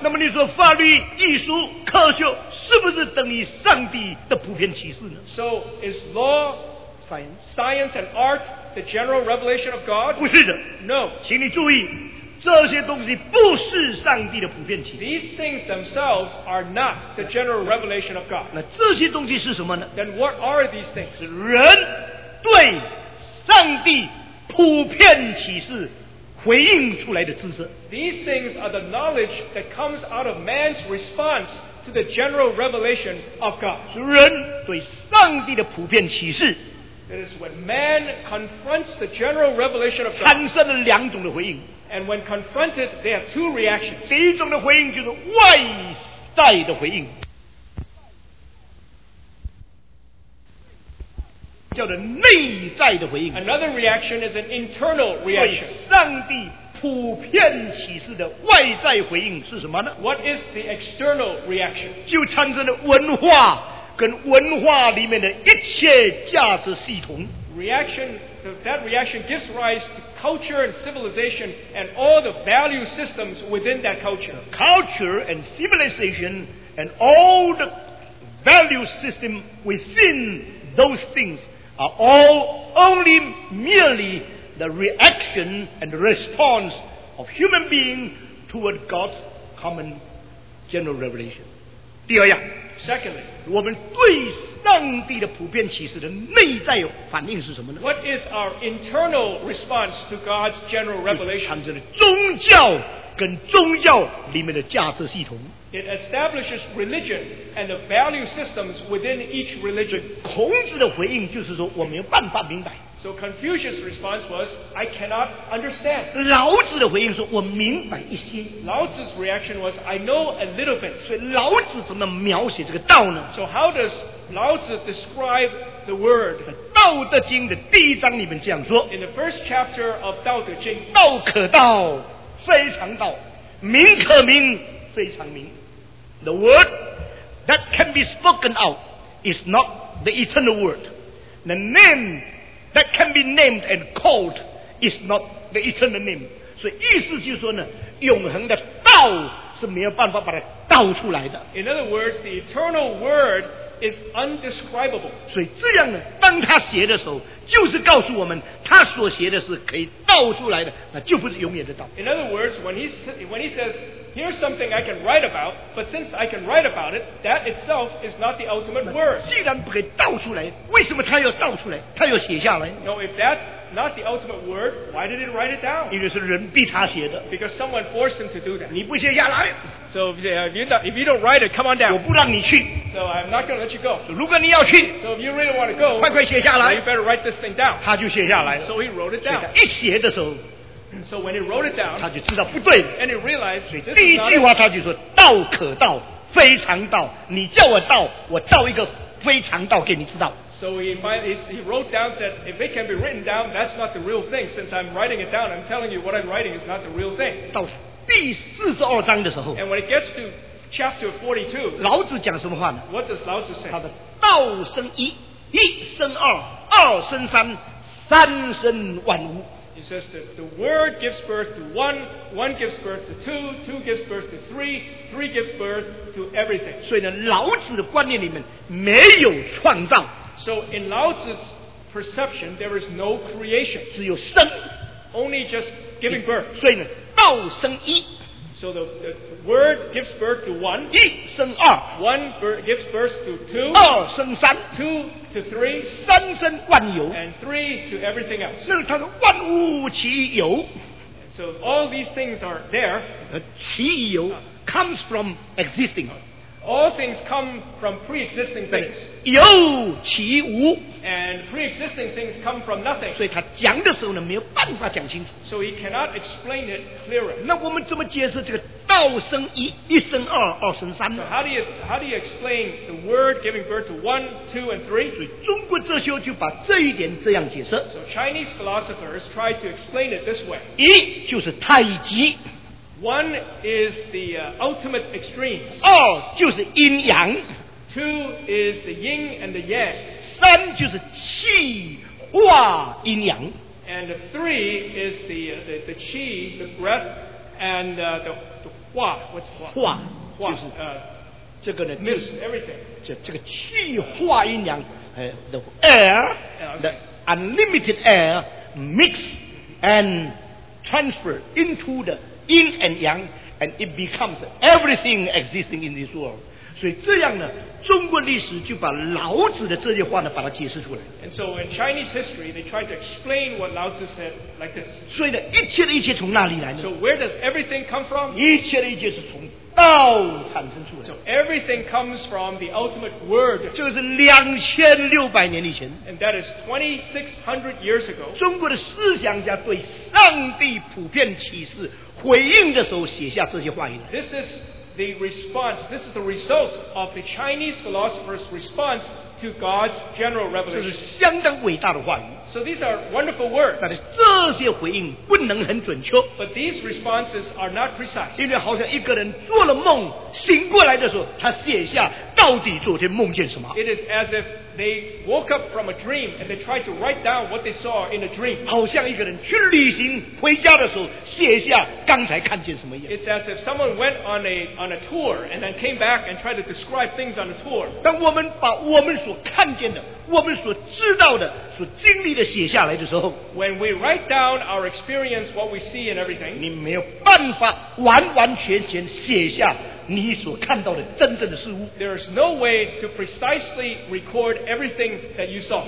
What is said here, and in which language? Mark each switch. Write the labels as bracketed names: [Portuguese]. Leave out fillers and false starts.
[Chinese] 那么你说法律、艺术、科学是不是等于上帝的普遍启示呢？ [English] So is law, science, and art the general revelation of God? [Chinese] 不是的。 [English] No. [Chinese] 请你注意，这些东西不是上帝的普遍启示。 [English] These things themselves are not the general revelation of God. [Chinese] 那这些东西是什么呢？ [English] Then what are these things? [Chinese] 是人对上帝普遍启示回应出来的知识。 [English] These things are the knowledge that comes out of man's response to the general revelation of God. [Chinese] 是人对上帝的普遍启示。 [English] That is when man confronts the general revelation of God. [Chinese] 产生了两种的回应。 [English] And when confronted, there are two reactions. [Chinese] 第一种的回应就是外在的回应。叫做内在的回应。 [English] Another reaction is an internal reaction. [Chinese] 对上帝普遍启示的外在回应是什么呢？ [English] What is the external reaction? [Chinese] 就产生了文化跟文化里面的一切价值系统。 [English] Reaction, that reaction gives rise to culture and civilization and all the value systems within that culture. Culture and civilization and all the value system within those things. Are all only merely the reaction and response of human being toward God's common general revelation. [Chinese] 第二样 [English] Secondly, [Chinese] 我们对上帝的普遍启示的内在反应是什么呢？ [English] What is our internal response to God's general revelation? [Chinese] 就产生了宗教跟宗教里面的价值系统。 [English] It establishes religion and the value systems within each religion. [Chinese] 孔子的回应就是说我没有办法明白。 [English] So Confucius' response was, I cannot understand. [Chinese] 老子的回应说我明白一些。 [English] 老子's reaction was, I know a little bit. [Chinese] 所以老子怎么描写这个道呢？ [English] So how does 老子 describe the word? [Chinese] 道德经的第一章里面这样说。 [English] In the first chapter of 道德经。 [Chinese] 道可道，非常道。名可名。非常明 [English] The word that can be spoken out is not the eternal word. The name that can be named and called is not the eternal name. [Chinese] 所以意思就是说呢，永恒的道是没有办法把它道出来的。 [English] In other words, the eternal word is undescribable. [Chinese] 所以这样呢，当他写的时候，就是告诉我们他所写的是可以道出来的，那就不是永远的道。 [English] In other words, when he says Here's something I can write about, but since I can write about it, that itself is not the ultimate word. [Chinese] 既然不可以道出来，为什么他要道出来？他要写下来。 [English] No, if that's not the ultimate word, why did he write it down? [Chinese] 因为是人逼他写的。 [English] Because someone forced him to do that. [Chinese] 你不写下来。 [English] So if you don't write it, come on down. [Chinese] 我不让你去。 [English] So I'm not going to let you go. [Chinese] 如果你要去。 [English] So if you really want to go, [Chinese] 快快写下来。 [English] Then you better write this thing down. [Chinese] 他就写下来了。 [English] So he wrote it down. [Chinese] 一写的时候。 [English] So when he wrote it down, [Chinese] 他就知道不对了。 [English] And he realized, [Chinese] 所以第一句话他就说：“道可道，非常道。你叫我道，我道一个非常道给你知道。” [English] So he wrote down, said, "If it can be written down, that's not the real thing. Since I'm writing it down, I'm telling you what I'm writing is not the real thing." [Chinese] 到第四十二章的时候 [English] ，And when it gets to chapter 42, [Chinese] 老子讲什么话呢 [English] ？What does 老子 say? [Chinese] 他的道生一，一生二，二生三，三生万物。 [English] He says that the word gives birth to one, one gives birth to two, two gives birth to three, three gives birth to everything. [Chinese] 所以呢，老子的观念里面没有创造。 [English] So in Lao Tzu's perception, there is no creation. [Chinese] 只有生。 [English] Only just giving birth. [Chinese] 所以呢，道生一。 [English] So the word gives birth to one. [Chinese] 一生二。 [English] One gives birth to two. [Chinese] 二生三。 [English] Two to three. [Chinese] 三生万有。 [English] And three to everything else. [Chinese] 那他说万物其有。 [English] So all these things are there. [Chinese] 其有 [English] comes from existing. All things come from pre-existing things. [Chinese] 有其无。 [English] And pre-existing things come from nothing. [Chinese] 所以他讲的时候呢，没有办法讲清楚。 [English] So he cannot explain it clearer. [Chinese] 那我们怎么解释这个道生一，一生二，二生三呢 [English] ？So how do you explain the word giving birth to one, two, and three? [Chinese] 所以中国哲学就把这一点这样解释。 [English] So Chinese philosophers try to explain it this way. [Chinese] 一就是太极。 [English] One is the ultimate extremes. [Chinese] 二就是阴阳。 [English] Two is the yin and the yang. [Chinese] 三就是气化阴阳。 [English] And three is the qi, the breath, and the 化, what's 化? [Chinese] 化, 化就是这个呢 [English] miss everything. [Chinese] 这个气化阴阳 [English] the air, the unlimited air mix and transfer into the阴 and yang, and it becomes everything existing in this world. [Chinese] 所以这样呢，中国历史就把老子的这句话呢，把它解释出来。 [English] And so in Chinese history, they tried to explain what Lao Tzu said like this. [Chinese] 所以呢，一切的一切从哪里来呢 [English] ？So where does everything come from? [Chinese] 一切的一切是从道产生出来。 [English] So everything comes from the ultimate word. [Chinese] 这个是2600年以前。 [English] And that is 2600 years ago. [Chinese] 中国的思想家对上帝普遍启示。回应的时候写下这些话语。 [English] This is the response. This is the result of the Chinese philosopher's response to God's general revelation. [Chinese] 这是相当伟大的话语。 [English] So these are wonderful words. [Chinese] 但是这些回应不能很准确。 [English] But these responses are not precise. [Chinese] 因为好像一个人做了梦，醒过来的时候，他写下到底昨天梦见什么。 [English] It is as if they woke up from a dream and they tried to write down what they saw in a dream. [Chinese] 好像一个人去旅行回家的时候，写下刚才看见什么一样。 [English] It's as if someone went on a tour and then came back and tried to describe things on a tour. [Chinese] 当我们把我们所看见的，我们所知道的，所经历的写下来的时候， [English] When we write down our experience, what we see and everything, [Chinese] 你没有办法完完全全写下你所看到的真正的事物。 [English] There is no way to precisely record everything that you saw.